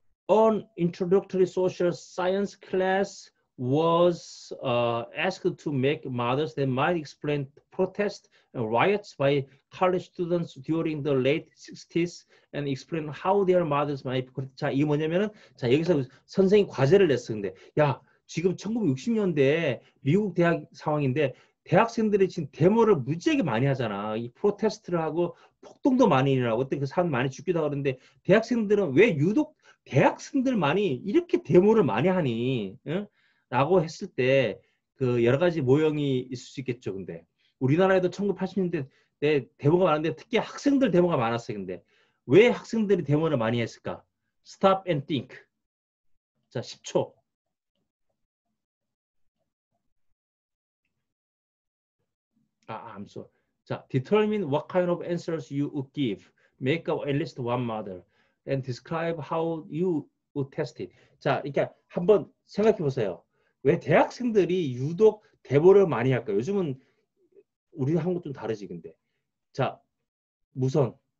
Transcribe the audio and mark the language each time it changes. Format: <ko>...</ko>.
<en>An introductory social science class was asked to make models that might explain protests and riots by college students during the late 60s and explain how their models might be protected.</en> <ko>자, 이게 뭐냐면은 자, 여기서 선생이 과제를 냈어. 근데 야, 지금 1960년대 미국 대학 상황인데 대학생들이 지금 데모를 무지하게 많이 하잖아. 이 프로테스트를 하고 폭동도 많이 일어나고 그때 그 사람 많이 죽기도 하고 그러는데 대학생들은 왜 유독 대학생들만이 이렇게 데모를 많이 하니? 응? 라고 했을 때 그 여러 가지 모형이 있을 수 있겠죠. 근데 우리나라에도 1980년대 때 데모가 많았는데 특히 학생들 데모가 많았어요. 근데 왜 학생들이 데모를 많이 했을까?</ko> <en>Stop and think.</en> <ko>자, 10초.</ko> <en>아, I'm sorry. 자, determine what kind of answers you would give. Make at least one model. And describe how you would test it.</en> <ko>자, 이렇게 한번 생각해 보세요. 왜 대학생들이 유독 데모를 많이 할까요? 요즘은 우리 한국 좀 다르지, 근데. 자, 무선.</ko>